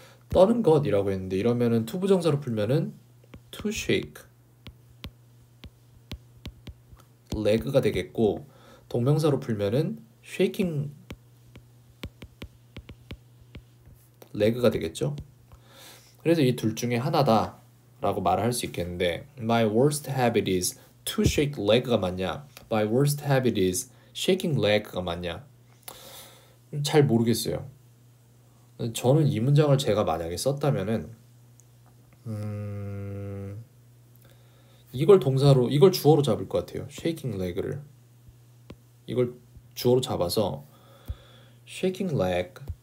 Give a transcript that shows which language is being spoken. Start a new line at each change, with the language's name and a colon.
Korean: 떠는 것이라고 했는데, 이러면은 투부정사로 풀면은
English: to shake, leg
Korean: 가 되겠고, 동명사로 풀면은
English: shaking leg
Korean: 가 되겠죠. 그래서 이둘 중에 하나다라고 말을 할수 있겠는데,
English: My worst habit is to shake leg
Korean: 가 맞냐?
English: My worst habit is shaking leg
Korean: 가 맞냐? 잘 모르겠어요. 저는 이 문장을 제가 만약에 썼다면은, 이걸 동사로, 이걸 주어로 잡을 것 같아요.
English: shaking leg
Korean: 를. 이걸 주어로 잡아서
English: shaking leg.